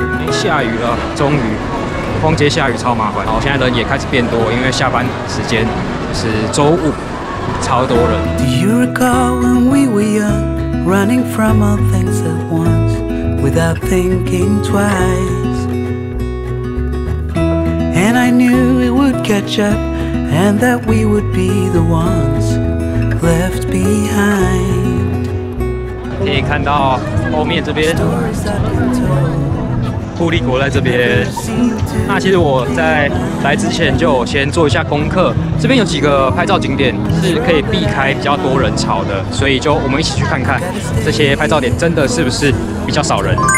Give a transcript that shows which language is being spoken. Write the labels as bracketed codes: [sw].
[zh] 下雨了，终于，逛街下雨超麻烦。然后现在人也开始变多，因为下班时间是周五，超多人。 [en] Do you recall when we were young, running from all things at once, without thinking twice? And I knew it would catch up, and that we would be the ones left behind. [zh] 可以看到后面这边。布利国在这边，那其实我在来之前就先做一下功课，这边有几个拍照景点是可以避开比较多人潮的，所以就我们一起去看看这些拍照点真的是不是比较少人。